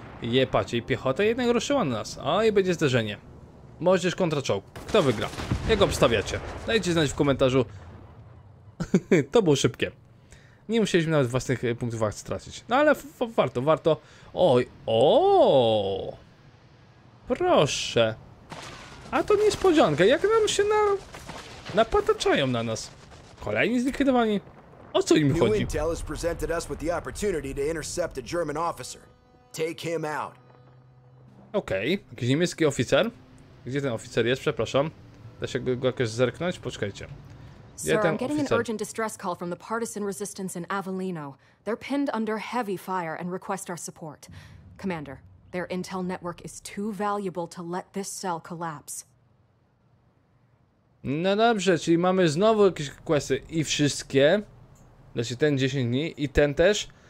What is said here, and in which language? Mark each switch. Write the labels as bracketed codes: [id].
[pl] Je, patrzcie, i piechota jednak ruszyła na nas. O, i będzie zderzenie. Moździerz kontra czołg. Kto wygra? Jak obstawiacie? Dajcie znać w komentarzu. To było szybkie. Nie musieliśmy nawet własnych punktów akcji stracić. No ale warto, warto. Oj, o! Proszę. A to niespodzianka, jak nam się na... napataczają na nas. Kolejni zlikwidowani. O co im chodzi? [en] New intel has presented us with the opportunity to intercept a German officer. Take him out. [pl] Okej, jakiś niemiecki oficer. Gdzie ten oficer jest, przepraszam? Da się go jakoś zerknąć? Poczekajcie. [en] Sir, I'm getting an urgent distress call from the partisan resistance in Avellino. They're pinned under heavy fire and request our support. Commander, their intel network is too valuable to let this cell collapse. [pl] No dobrze, czyli mamy znowu jakieś questy i wszystkie. Znaczy ten 10 dni i ten też.